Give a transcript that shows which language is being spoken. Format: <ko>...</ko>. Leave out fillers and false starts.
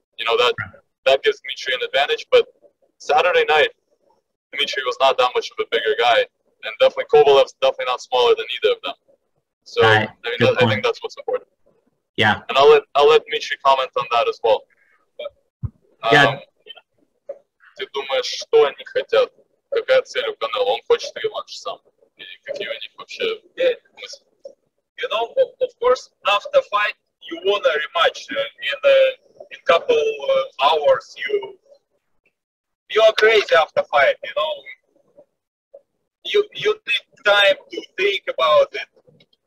<en>You know, that gives Dmitry an advantage. But Saturday night, Dmitry was not that much of a bigger guy. And definitely, Kovalev's definitely not smaller than either of them. So, right. I mean, I think that's what's important. Yeah. And I'll let Dmitry comment on that as well. But, yeah.</en> <ru>Ты думаешь, что они хотят? Какая цель у Канело? Он хочет реванш сам?</ru> <en>You know, of course, after fight, you want a rematch. In a couple hours, you are crazy after fight, you know. You need time to think about it.</en>